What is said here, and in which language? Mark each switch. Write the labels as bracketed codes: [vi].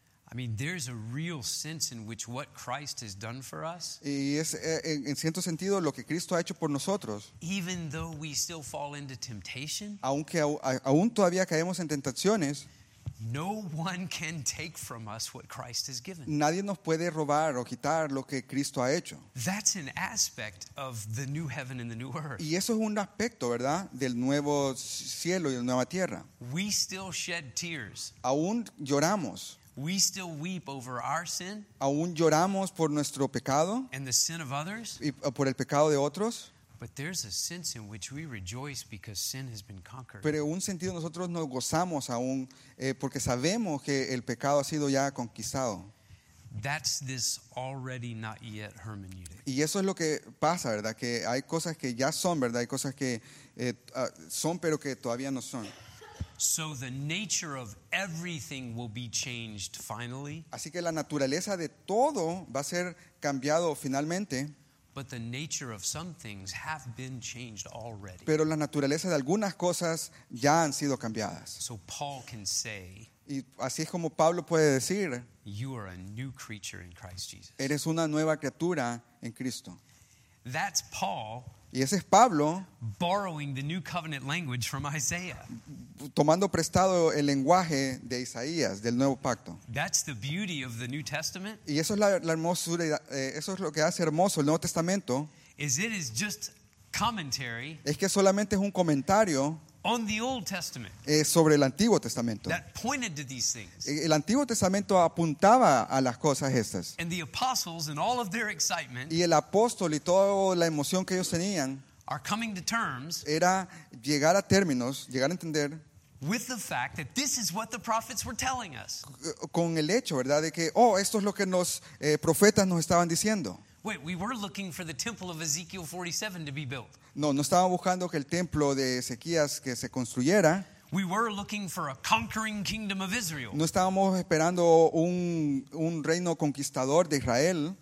[en] I mean, there's a real sense in which what Christ has done for us. [es] Y es en cierto sentido lo que Cristo ha hecho por nosotros. [en] Even though we still fall into temptation. [es] Aunque aún todavía caemos en tentaciones. [en] No one can take from us what Christ has given. [es] Nadie nos puede robar o quitar lo que Cristo ha hecho. [en] That's an aspect of the new heaven and the new earth. [es] Y eso es un aspecto, ¿verdad?, del nuevo cielo y la nueva tierra. [en] We still shed tears. [es] Aún lloramos. [en] We still weep over our sin. [es] Aún lloramos por nuestro pecado. [en] And the sin of others. [es] Y por el pecado de otros. [en] But there's a sense in which we rejoice because sin has been conquered. [es] Pero en un sentido nosotros nos gozamos aún porque sabemos que el pecado ha sido ya conquistado. [en] That's this already not yet hermeneutic. [es] Y eso es lo que pasa, ¿verdad? Que hay cosas que ya son, ¿verdad? Hay cosas que son pero que todavía no son. [en] So the nature of everything will be changed finally. [es] Así que la naturaleza de todo va a ser cambiado finalmente. [en] But the nature of some things have been changed already. [es] Pero la naturaleza de algunas cosas ya han sido cambiadas. [en] So Paul can say. [es] Y así es como Pablo puede decir. [en] You are a new creature in Christ Jesus. [es] Eres una nueva criatura en Cristo. [en] That's Paul. [es] Y ese es Pablo. [en] Borrowing the new covenant language from Isaiah. [es] Tomando prestado el lenguaje de Isaías, del nuevo pacto. [en] That's the beauty of the New Testament. [es] Y eso es la hermosura, eso es lo que hace hermoso el Nuevo Testamento. [en] Is it is just commentary. [es] Es que solamente es un comentario. [en] On the Old Testament. [es] Sobre el Antiguo Testamento. [en] That pointed to these things. [es] El Antiguo Testamento apuntaba a las cosas estas. [en] And the apostles and all of their excitement. [es] Y el apóstol y toda la emoción que ellos tenían. [en] Are coming to terms. [es] Era llegar a términos, llegar a entender. [en] With the fact that this is what the prophets were telling us. [es] Con el hecho, ¿verdad? De que, esto es lo que los profetas nos estaban diciendo. [en] Wait, we were looking for the temple of Ezekiel 47 to be built. [es] No, no estaba buscando que el templo de Ezequías que se construyera. [en] We were looking for a conquering kingdom of Israel. [es] No estábamos esperando un reino conquistador de Israel.